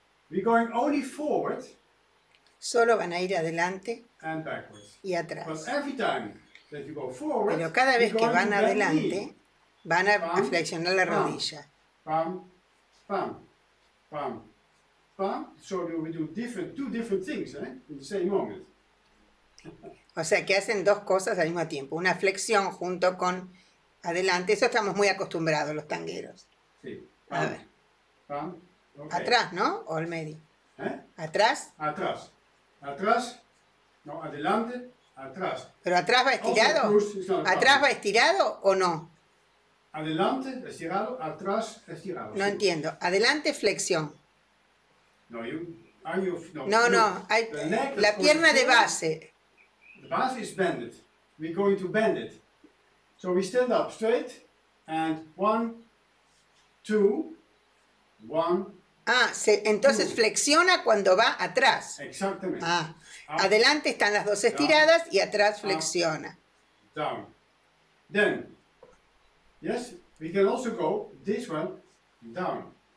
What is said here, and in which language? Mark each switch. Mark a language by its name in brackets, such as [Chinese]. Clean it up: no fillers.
[English] We're going only forward. [Spanish] Solo van a ir adelante. [English] And backwards. [Spanish] Y atrás. [English] But every time that you go forward, [Spanish] pero cada vez que van adelante, van a flexionar la rodilla. Pam, pam, pam, pam. [English] So we do two different things, in the same moment. [Spanish] O sea, que hacen dos cosas al mismo tiempo. Una flexión junto con adelante. Eso estamos muy acostumbrados, los tangueros. Sí. Pam, a ver. Pam, okay. Atrás, ¿no? O al medio. ¿Eh? ¿Atrás? Atrás. Atrás. No, adelante. Atrás. ¿Pero atrás va estirado? ¿Atrás va estirado o no? Adelante, estirado. Atrás, estirado. No, sí. Entiendo. Adelante, flexión. [English] No, you, are you, no, [Spanish] no. No. La pierna de base. [English] The base is bended. We're going to bend it. So we stand up straight and [Spanish] entonces flexiona cuando va atrás. Exactamente. Ah. Adelante están las dos estiradas y atrás flexiona. [English] Down. Then, yes, we can also go this one down.